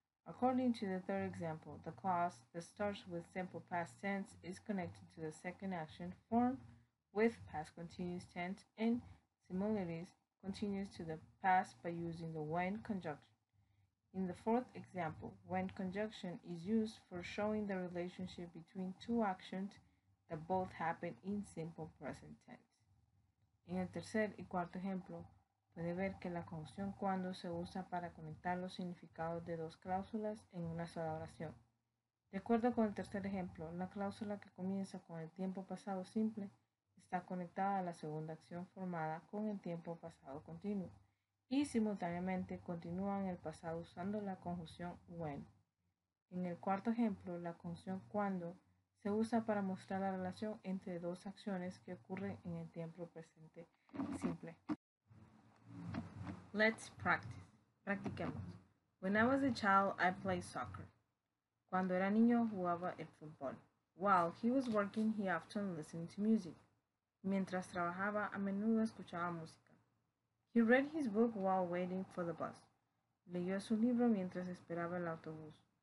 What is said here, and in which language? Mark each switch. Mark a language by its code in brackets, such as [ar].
[en] According to the third example, the clause that starts with simple past tense is connected to the second action form with past continuous tense and similarities continues to the past by using the when conjunction. In the fourth example, when conjunction is used for showing the relationship between two actions that both happen in simple present tense. [es] En el tercer y cuarto ejemplo, puede ver que la conjunción cuando se usa para conectar los significados de dos cláusulas en una sola oración. De acuerdo con el tercer ejemplo, la cláusula que comienza con el tiempo pasado simple está conectada a la segunda acción formada con el tiempo pasado continuo y simultáneamente continúa en el pasado usando la conjunción when. En el cuarto ejemplo, la conjunción cuando se usa para mostrar la relación entre dos acciones que ocurren en el tiempo presente simple. [en] Let's practice. [es] Practiquemos. [en] When I was a child, I played soccer. [es] Cuando era niño, jugaba el fútbol. [en] While he was working, he often listened to music. [es] Mientras trabajaba, a menudo escuchaba música. [en] He read his book while waiting for the bus. [es] Leyó su libro mientras esperaba el autobús.